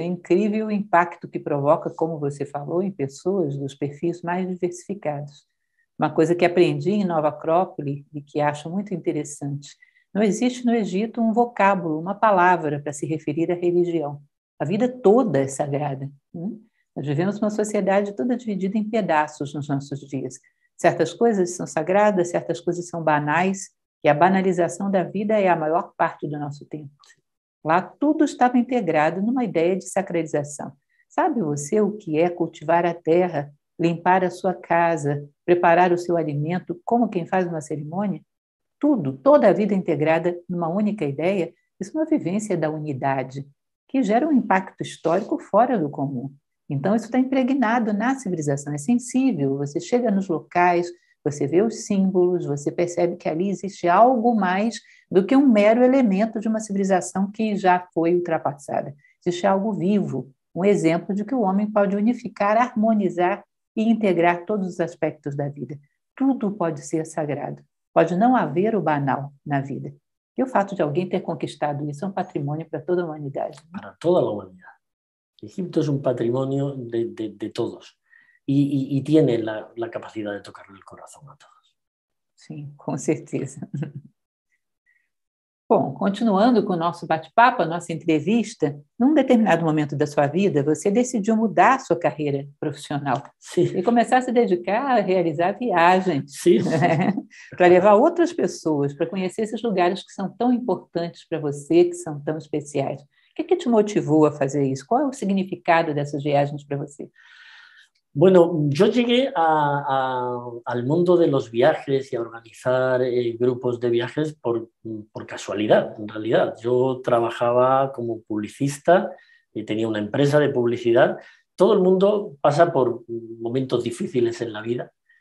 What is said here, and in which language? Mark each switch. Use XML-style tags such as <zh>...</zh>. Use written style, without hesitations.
<es>Es increíble el impacto que provoca,</es> <pt>como você falou,</pt> <es>en personas de los perfiles más diversificados. Una cosa que aprendí en Nova Acrópole y que</es> <pt>acho</pt> <es>muy interesante. No existe en Egipto un vocábulo, una palabra para</es> <pt>se referir</pt> <es>a religión. La vida toda es sagrada.</es> <pt>Nós vivemos uma sociedade toda dividida em pedaços nos nossos dias. Certas coisas são sagradas, certas coisas são banais, e a banalização da vida é a maior parte do nosso tempo. Lá tudo estava integrado numa ideia de sacralização. Sabe você o que é cultivar a terra, limpar a sua casa, preparar o seu alimento, como quem faz uma cerimônia? Tudo, toda a vida integrada numa única ideia, isso é uma vivência da unidade, que gera um impacto histórico fora do comum. Então, isso está impregnado na civilização, é sensível. Você chega nos locais, você vê os símbolos, você percebe que ali existe algo mais do que um mero elemento de uma civilização que já foi ultrapassada. Existe algo vivo, um exemplo de que o homem pode unificar, harmonizar e integrar todos os aspectos da vida. Tudo pode ser sagrado. Pode não haver o banal na vida. E o fato de alguém ter conquistado isso é um patrimônio para toda a humanidade. Para toda a humanidade.</pt> <es>Egipto es un patrimonio de todos y tiene la capacidad de tocarle el corazón a todos.</es> <pt>Sim, com certeza. Bom, continuando com o nosso bate-papo, a nossa entrevista, num determinado momento da sua vida, você decidiu mudar a sua carreira profissional e começar a se dedicar a realizar viagens, né? Para levar outras pessoas, para conhecer esses lugares que são tão importantes para você, que são tão especiais. O que que te motivou a fazer isso? Qual é o significado dessas viagens para você?</pt> <es>Bueno, yo llegué al mundo de los viajes y a organizar grupos de viajes por casualidad, en realidad. Yo trabajaba como publicista y tenía una empresa de publicidad. Todo el mundo pasa por momentos difíciles en la vida.</es>